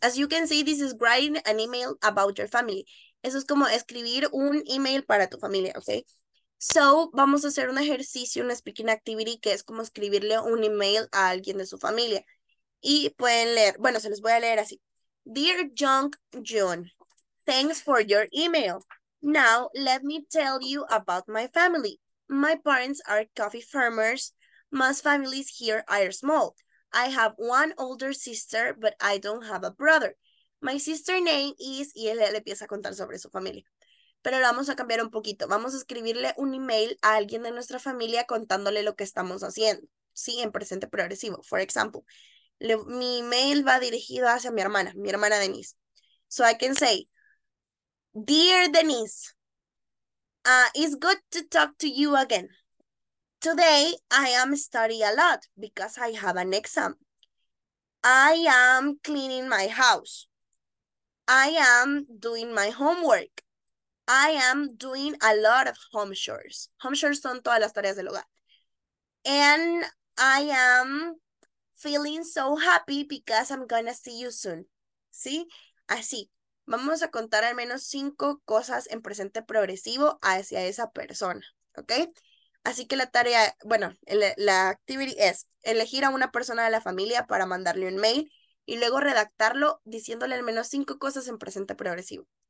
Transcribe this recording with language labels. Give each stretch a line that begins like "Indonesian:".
English: As you can see, this is writing an email about your family.
Spanish: Eso es como escribir un email para tu familia, okay? So, vamos a hacer un ejercicio, una speaking activity, que es como escribirle un email a alguien de su familia. Y pueden leer, bueno, se los voy a leer así.
English: Dear Jung Jun, thanks for your email. Now, let me tell you about my family. My parents are coffee farmers. Most families here are small. I have one older sister, but I don't have a brother. My sister name is,
Spanish: y él le empieza a contar sobre su familia. Pero lo vamos a cambiar un poquito. Vamos a escribirle un email a alguien de nuestra familia contándole lo que estamos haciendo. Sí, en presente progresivo.
English: For example,
Spanish: mi email va dirigido hacia mi hermana Denise.
English: So I can say, Dear Denise, it's good to talk to you again. Today, I am studying a lot because I have an exam. I am cleaning my house. I am doing my homework. I am doing a lot of home chores.
Spanish: Home chores son todas las tareas del hogar.
English: And I am feeling so happy because I'm gonna see you soon.
Spanish: ¿Sí? Así. Vamos a contar al menos 5 cosas en presente progresivo hacia esa persona. ¿Ok? Así que la tarea, bueno, la activity es elegir a una persona de la familia para mandarle un mail y luego redactarlo diciéndole al menos 5 cosas en presente progresivo.